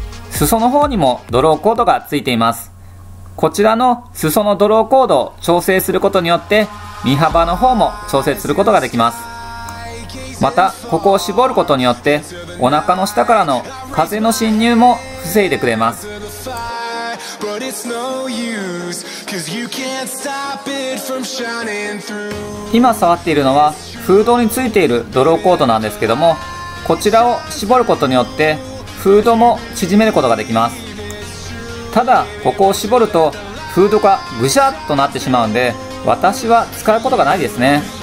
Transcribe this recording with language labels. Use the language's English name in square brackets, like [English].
[Japanese] 裾の方にもドローコードがついています。こちらの裾のドローコードを調整することによって身幅の方も調節することができます。またここを絞ることによってお腹の下からの風の侵入も防いでくれます。 [English] But it's no use, 'cause you can't stop it from shining through. [Japanese] 今触っているのはフードについているドローコートなんですけども、こちらを絞ることによってフードも縮めることができます。ただここを絞るとフードがぐしゃっとなってしまうんで、私は使うことがないですね。